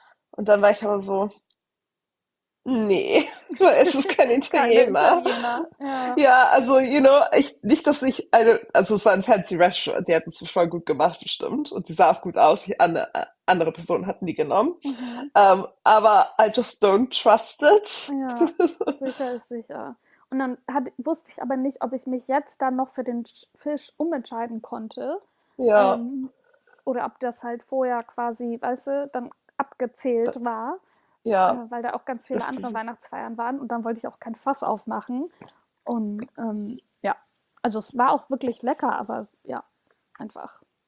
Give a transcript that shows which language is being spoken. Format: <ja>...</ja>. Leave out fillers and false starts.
<de>Und dann war ich aber so, nee, weil es ist kein Keine Italiener. Italiener, ja. Ja, also,</de> <en>you know,</en> <de>ich, nicht, dass ich, also es war ein fancy Restaurant, die hatten es voll gut gemacht, bestimmt. Und die sah auch gut aus. Andere Personen hatten die genommen.</de> <en>Aber I just don't trust it.</en> <de>Ja, sicher ist sicher. Und dann wusste ich aber nicht, ob ich mich jetzt dann noch für den Fisch umentscheiden konnte. Ja. Oder ob das halt vorher quasi, weißt du, dann abgezählt war, Ja. weil da auch ganz viele Das andere ist Weihnachtsfeiern waren. Und dann wollte ich auch kein Fass aufmachen. Und ja, also es war auch wirklich lecker, aber ja, einfach.</de>